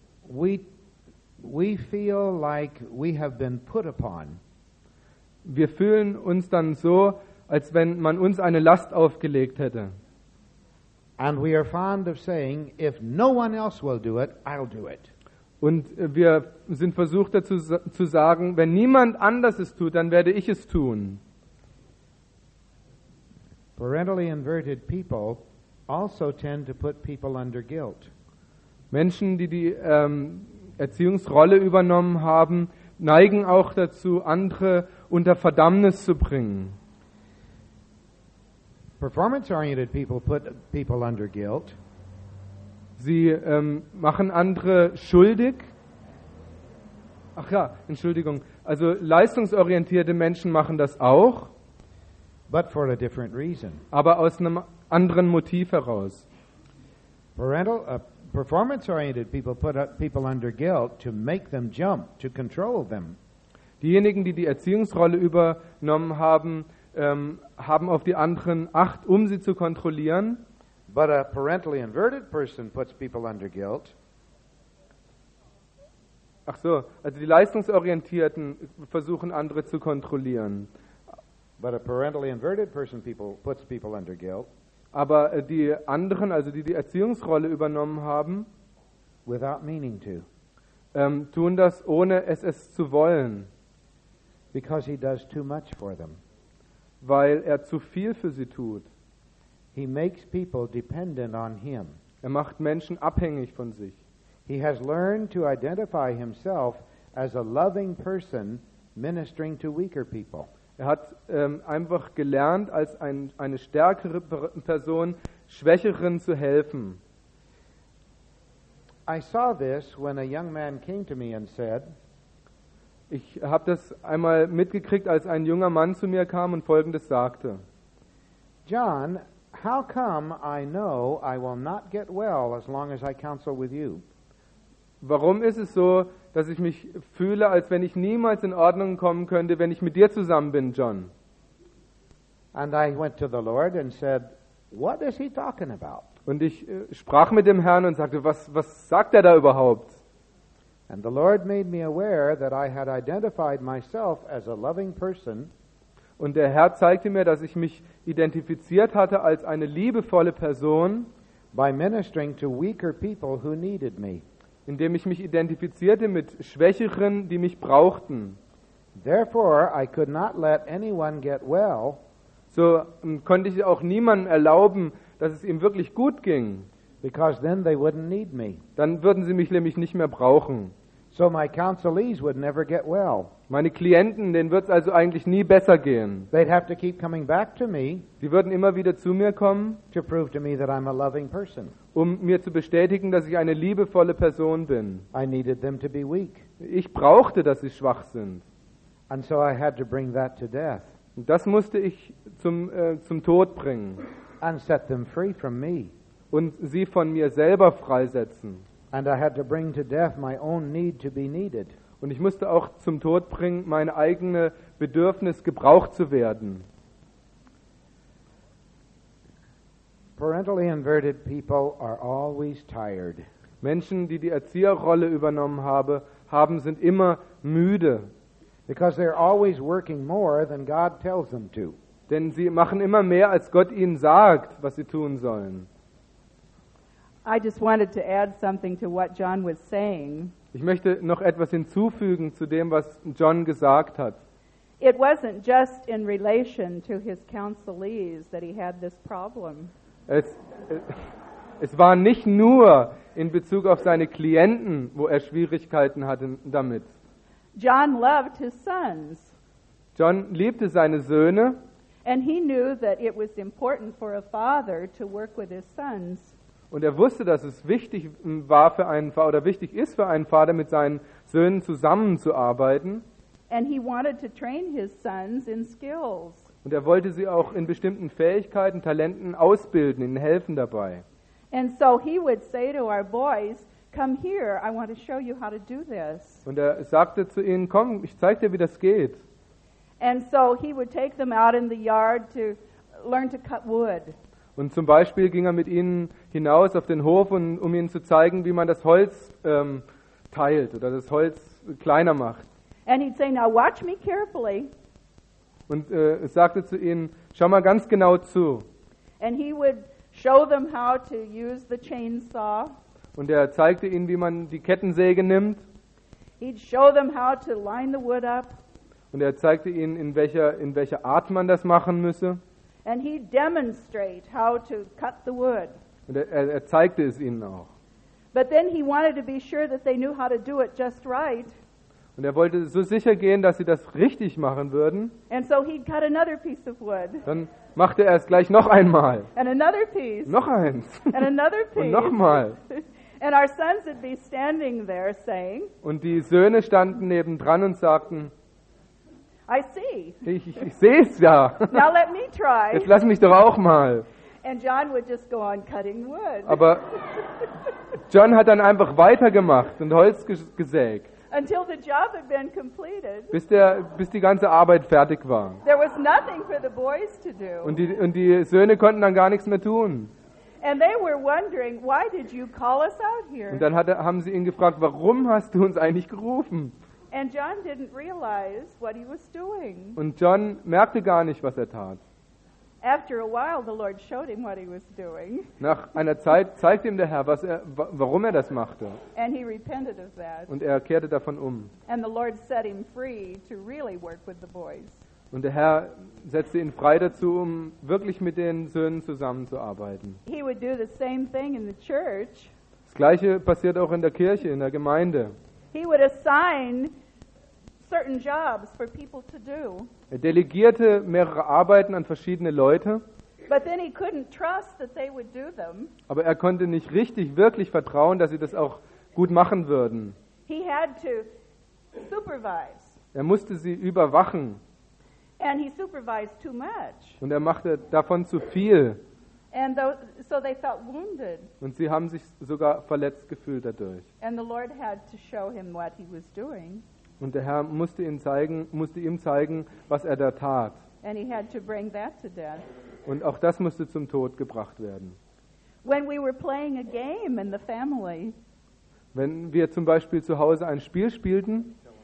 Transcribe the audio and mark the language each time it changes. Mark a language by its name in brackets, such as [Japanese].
[English] We feel like we have been put upon. [German] Wir fühlen uns dann so, als wenn man uns eine Last aufgelegt hätte. [English] And we are fond of saying, if no one else will do it, I'll do it. [German] Und wir sind versucht dazu zu sagen, wenn niemand anders es tut, dann werde ich es tun. [English] Parentally inverted people also tend to put people under guilt. [German] Menschen, die die Erziehungsrolle übernommen haben, neigen auch dazu, andere unter Verdammnis zu bringen. [English] Performance-oriented people put people under guilt. [German] Sie machen andere schuldig. Ach ja, Entschuldigung. Also leistungsorientierte Menschen machen das auch. [English] But for a different reason. [German] Aber aus einem anderen Motiv heraus. [English] Performance-oriented people put people under guilt to make them jump, to control them. [German] Diejenigen, die die Erziehungsrolle übernommen haben, haben auf die anderen Acht, um sie zu kontrollieren. [English] But a parentally inverted person puts people under guilt. [German] Ach so, also die Leistungsorientierten versuchen andere zu kontrollieren. [English] But a parentally inverted person puts people under guilt. [German] Aber die anderen, also die Erziehungsrolle übernommen haben, [English] without meaning to, [German] tun das ohne es zu wollen, [English] because he does too much for them, [German] weil er zu viel für sie tut. [English] He makes people dependent on him. [German] Er macht Menschen abhängig von sich. [English] He has learned to identify himself as a loving person ministering to weaker people. [German] Er hat einfach gelernt, als eine stärkere Person Schwächeren zu helfen. [English] I saw this when a young man came to me and said, [German] ich habe das einmal mitgekriegt, als ein junger Mann zu mir kam und Folgendes sagte: [English] John, how come I know I will not get well as long as I counsel with you? [German] Warum ist es so, dass ich mich fühle, als wenn ich niemals in Ordnung kommen könnte, wenn ich mit dir zusammen bin, John? [English] And I went to the Lord and said, what is he talking about? [German] Und ich sprach mit dem Herrn und sagte, was sagt er da überhaupt? [English] And the Lord made me aware that I had identified myself as a loving person. [German] Und der Herr zeigte mir, dass ich mich identifiziert hatte als eine liebevolle Person, [English] by ministering to weaker people who needed me. [German] Indem ich mich identifizierte mit Schwächeren, die mich brauchten. [English] Therefore, I could not let anyone get well. [German] So konnte ich auch niemandem erlauben, dass es ihm wirklich gut ging. [English] Because then they wouldn't need me. [German] Dann würden sie mich nämlich nicht mehr brauchen. [English] So my counselees would never get well. [German] Meine Klienten, denen wird es also eigentlich nie besser gehen. [English] They'd have to keep coming back to me. [German] Sie würden immer wieder zu mir kommen, [English] to prove to me that I'm a loving person. [German] Um mir zu bestätigen, dass ich eine liebevolle Person bin. [English] I needed them to be weak. [German] Ich brauchte, dass sie schwach sind. [English] And so I had to bring that to death. [German] Das musste ich zum Tod bringen. [English] And set them free from me. [German] Und sie von mir selber freisetzen. [English] And I had to bring to death my own need to be needed. [German] Und ich musste auch zum Tod bringen, mein eigenes Bedürfnis, gebraucht zu werden. [English] Parentally inverted people are always tired. [German] Menschen, die die Erzieherrolle übernommen haben, sind immer müde. [English] Because they're always working more than God tells them to. [German] Denn sie machen immer mehr, als Gott ihnen sagt, was sie tun sollen. [English] I just wanted to add something to what John was saying. [German] Ich möchte noch etwas hinzufügen zu dem, was John gesagt hat. [English] It wasn't just in relation to his counselees that he had this problem. [German] Es war nicht nur in Bezug auf seine Klienten, wo er Schwierigkeiten hatte damit. [English] John loved his sons. [German] John liebte seine Söhne. [English] And he knew that it was important for a father to work with his sons. [German] Und er wusste, dass es wichtig war für einen Vater oder wichtig ist für einen Vater, mit seinen Söhnen zusammenzuarbeiten. [English] And he wanted to train his sons in skills. [German] Und er wollte sie auch in bestimmten Fähigkeiten, Talenten ausbilden, ihnen helfen dabei. [English] And so he would say to our boys, come here, I want to show you how to do this. [German] Und er sagte zu ihnen, komm, ich zeig dir, wie das geht. [English] And so he would take them out in the yard to learn to cut wood. [German] Und zum Beispiel ging er mit ihnen hinaus auf den Hof, um ihnen zu zeigen, wie man das Holz teilt oder das Holz kleiner macht. [English] And he'd say, now watch me carefully. [German] Und er sagte zu ihnen, schau mal ganz genau zu. [English] And he would show them how to use the chainsaw. [German] Und er zeigte ihnen, wie man die Kettensäge nimmt. [English] He'd show them how to line the wood up. [German] Und er zeigte ihnen, in welcher Art man das machen müsse. [English] And he'd demonstrate how to cut the wood. [German] Und er zeigte es ihnen auch. [English] But then he wanted to be sure that they knew how to do it just right. [German] Und er wollte so sicher gehen, dass sie das richtig machen würden. [English] And so he'd cut another piece of wood. [German] Dann machte er es gleich noch einmal. [English] And another piece. [German] Noch eins. [English] And another piece. [German] Und nochmal. [English] And our sons would be standing there saying, [German] und die Söhne standen nebendran und sagten, [English] I see. [German] Ich sehe es ja. [English] Now let me try. [German] Jetzt lass mich doch auch mal. [English] And John would just go on cutting wood. [German] Aber John hat dann einfach weitergemacht und Holz gesägt. [English] Until the job had been completed. [German] Bis die ganze Arbeit fertig war. [English] There was nothing for the boys to do. [German] Und die Söhne konnten dann gar nichts mehr tun. [English] And they were wondering, why did you call us out here? [German] Und dann haben sie ihn gefragt, warum hast du uns eigentlich gerufen? [English] And John didn't realize what he was doing. [German] Und John merkte gar nicht, was er tat. [English] After a while, the Lord showed him what he was doing. [German] Nach einer Zeit zeigte ihm der Herr, warum er das machte. [English] And he repented of that. [German] Und er kehrte davon um. [English] And the Lord set him free to really work with the boys. [German] Und der Herr setzte ihn frei dazu, um wirklich mit den Söhnen zusammenzuarbeiten. [English] He would do the same thing in the church. [German] Das Gleiche passiert auch in der Kirche, in der Gemeinde. [English] He would assign certain jobs for people to do. [German] Er delegierte mehrere Arbeiten an verschiedene Leute. [English] But then he couldn't trust that they would do them. [German] Aber er konnte nicht richtig wirklich vertrauen, dass sie das auch gut machen würden. [English] He had to supervise. [German] Er musste sie überwachen. [English] And he supervised too much. [German] Und er machte davon zu viel. [English] And so they felt wounded. [German] Und sie haben sich sogar verletzt gefühlt dadurch. [English] And the Lord had to show him what he was doing. [German] Und der Herr musste ihm zeigen, was er da tat. [English] And he had to bring that to death. [German] Und auch das musste zum Tod gebracht werden. [English] When we were playing a game in the family. [German] Wenn wir zum Beispiel zu Hause ein Spiel spielten.